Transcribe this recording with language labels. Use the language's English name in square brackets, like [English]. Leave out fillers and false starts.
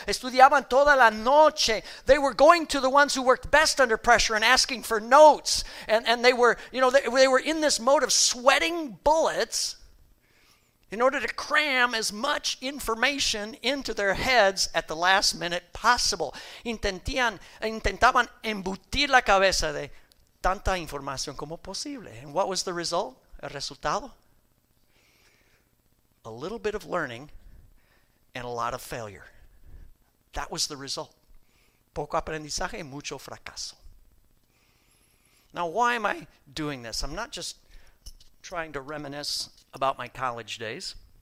[Spanish] Estudiaban toda la noche. [English] They were going to the ones who worked best under pressure and asking for notes. And they were, you know, they were in this mode of sweating bullets in order to cram as much information into their heads at the last minute possible. [Spanish] Intentaban embutir la cabeza de tanta información como posible. [English] And what was the result? [Spanish] El resultado? [English] A little bit of learning and a lot of failure. That was the result. [Spanish] Poco aprendizaje y mucho fracaso. [English] Now, why am I doing this? I'm not just trying to reminisce about my college days.